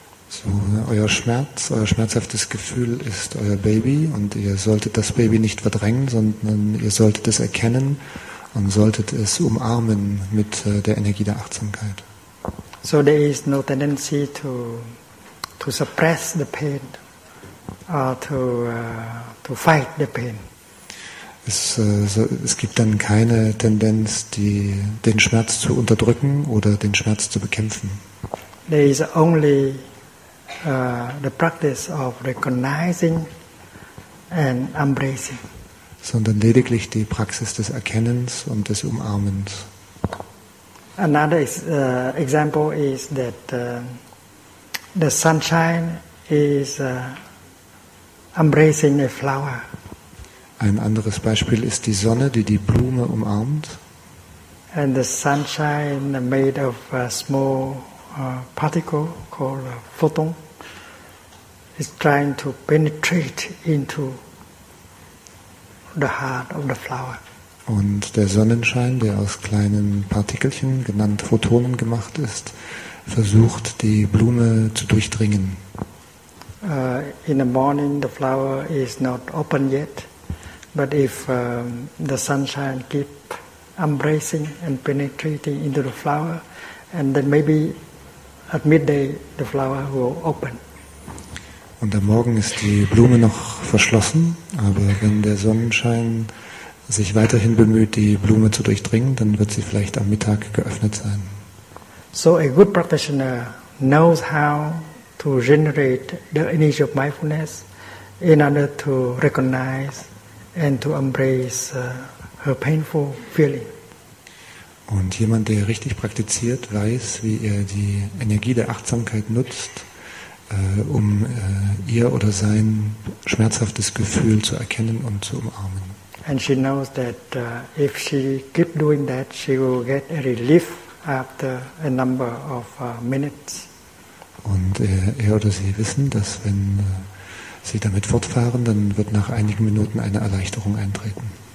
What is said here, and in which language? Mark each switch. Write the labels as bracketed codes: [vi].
[de] So, euer Schmerz, euer schmerzhaftes Gefühl ist euer Baby und ihr solltet das Baby nicht verdrängen, sondern ihr solltet es erkennen und solltet es umarmen mit der Energie der Achtsamkeit. [en] So there is no tendency to suppress the pain or to fight the pain. [de] Es gibt dann keine Tendenz, den Schmerz zu unterdrücken oder den Schmerz zu bekämpfen. [en] There is only the practice of recognizing and embracing. [de] Sondern lediglich die Praxis des Erkennens und des Umarmens. [en] Another example is that the sunshine is embracing a flower. [de] Ein anderes Beispiel ist die Sonne, die Blume umarmt. [en] And the sunshine made of a small particle called a photon is trying to penetrate into the heart of the flower. [de] Und der Sonnenschein, der aus kleinen Partikelchen, genannt Photonen, gemacht ist, versucht, die Blume zu durchdringen. [en] In the morning, the flower is not open yet, but if the sunshine keep embracing and penetrating into the flower, and then maybe at midday, the flower will open. [de] Und am Morgen ist die Blume noch verschlossen, aber wenn der Sonnenschein sich weiterhin bemüht, die Blume zu durchdringen, dann wird sie vielleicht am Mittag geöffnet sein. [en] So a good practitioner knows how to generate the energy of mindfulness in order to recognize and to embrace her painful feeling. [de] Und jemand, der richtig praktiziert, weiß, wie er die Energie der Achtsamkeit nutzt, um ihr oder sein schmerzhaftes Gefühl zu erkennen und zu umarmen. [en] And she knows that if she keep doing that, she will get a relief after a number of minutes. [de] Und er oder sie wissen, dass wenn sie damit fortfahren, dann wird nach einigen Minuten eine Erleichterung eintreten.